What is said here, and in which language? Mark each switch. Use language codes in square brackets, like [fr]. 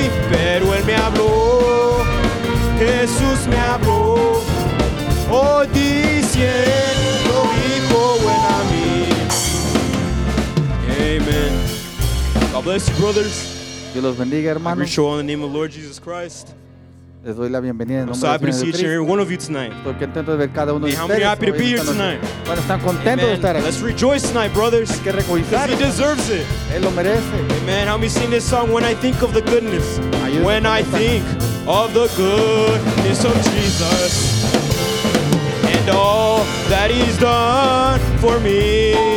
[es] Pero Él me habló, Jesús me habló, oh, diciendo, hijo, ven a mí. [en] Amen. God bless you, brothers. [es] Dios los bendiga, hermanos. [en] I greet you all in the name of the Lord Jesus Christ. [es] Les doy la bienvenida en nombre de Jesús. Estoy contento de ver cada uno de ustedes. Estoy contento de ver cada uno de ustedes. Bueno, están contentos de estar aquí. [en] Let's rejoice tonight, brothers. [es] Hay que recogizar. [en] He deserves it. [es] Él lo merece. [en] Amen. How many sing this song? When I think of the goodness. When I think of the goodness of Jesus. And all that He's done for me.